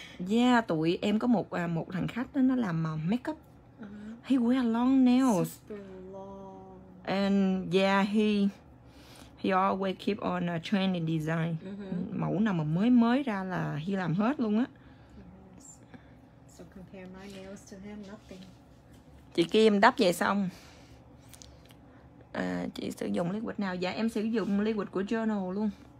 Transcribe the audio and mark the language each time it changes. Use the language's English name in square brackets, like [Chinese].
[Vietnamese] Yeah, tụi em có một thằng khách đó, nó làm makeup. [English] Uh-huh. He wear long nails. Super long. And yeah, he always keep on a trendy design. Uh-huh. [Vietnamese] Mẫu nào mà mới ra là he làm hết luôn á. [English] So compare my nails to him, nothing. [Vietnamese] Chị Kim đắp về xong. Chị sử dụng liquid nào? Dạ em sử dụng liquid của Journal luôn.